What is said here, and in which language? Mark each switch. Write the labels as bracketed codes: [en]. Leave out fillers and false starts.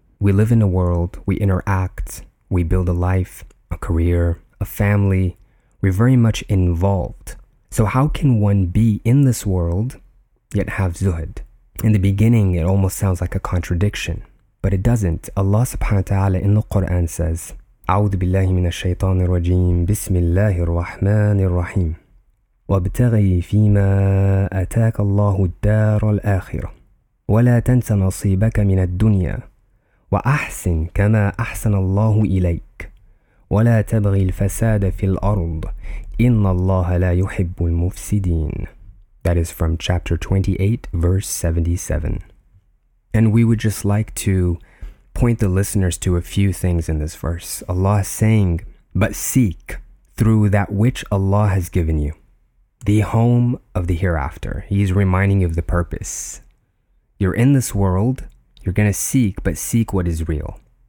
[en] We live in a world, we interact, we build a life, a career, a family. We're very much involved. So how can one be in this world yet have Zuhd? In the beginning, it almost sounds like a contradiction, but it doesn't. Allah subhanahu wa ta'ala in the Quran says, [ar] أعوذ بالله من الشيطان الرجيم بسم الله الرحمن الرحيم وابتغي فيما أتاك الله الدار الآخرة ولا تنس نصيبك من الدنيا وأحسن كما أحسن الله إليك ولا تبغي الفساد في الأرض إن الله لا يحب المفسدين. [en] That is from chapter 28, verse 77. And we would just like to point the listeners to a few things in this verse. Allah is saying, but seek through that which Allah has given you, the home of the hereafter. He's reminding you of the purpose. You're in this world, you're going to seek, but seek what is real.